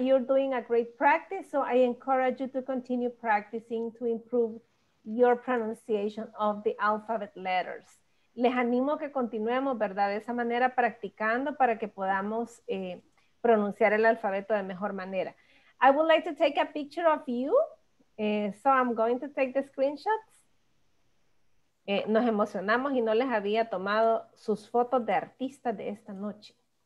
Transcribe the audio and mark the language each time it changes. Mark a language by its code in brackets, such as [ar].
[en] You're doing a great practice, so I encourage you to continue practicing to improve your pronunciation of the alphabet letters. [es] Les animo que continuemos, ¿verdad? De esa manera practicando para que podamos pronunciar el alfabeto de mejor manera. [en] I would like to take a picture of you. So I'm going to take the screenshots. [es] Nos emocionamos y no les había tomado sus fotos de artista de esta noche.